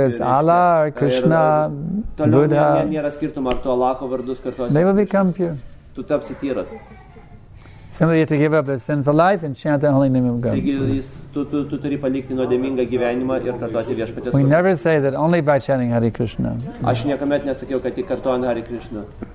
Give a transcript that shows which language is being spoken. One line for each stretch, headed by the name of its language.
English: Whether it's Allah or Krishna, Buddha,
Lithuanian: nėra skirtumo ar to Alacho vardus kartosi.
English: They will become pure.
Lithuanian: Tu tapsi tyras.
English: Simply to give up their sinful life and chant the holy name of God.
Lithuanian: Tu turi palikti nuodėmingą gyvenimą ir kartoti Viešpaties vardą.
English: We never say that only by chanting Hare Krishna.
Lithuanian: Aš niekuomet nesakiau, kad tik kartojant Hare Krishna.